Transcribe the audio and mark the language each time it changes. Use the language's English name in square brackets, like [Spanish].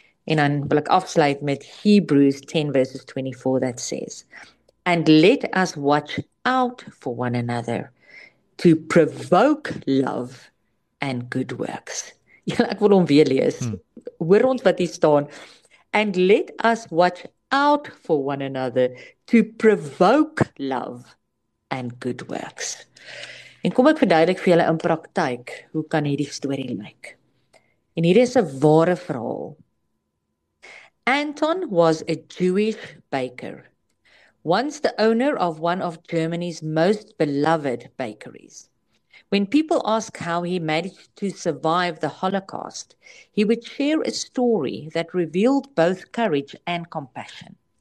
[Afrikaans] En dan wil ek afsluit met [English] Hebrews 10 verses 24 that says, and let us watch out for one another to provoke love and good works. [Afrikaans] Ja, ek wil hom weer lees. Hoor ons wat hier staan. [English] And let us watch out for one another to provoke love and good works. [Afrikaans] En kom ek verduidelik vir julle in praktyk hoe kan hierdie storie lyk. En hier is 'n ware verhaal. [English] Anton was a Jewish baker. Once the owner of one of Germany's most beloved bakeries. When people ask how he managed to survive the Holocaust, he would share a story that revealed both courage and compassion.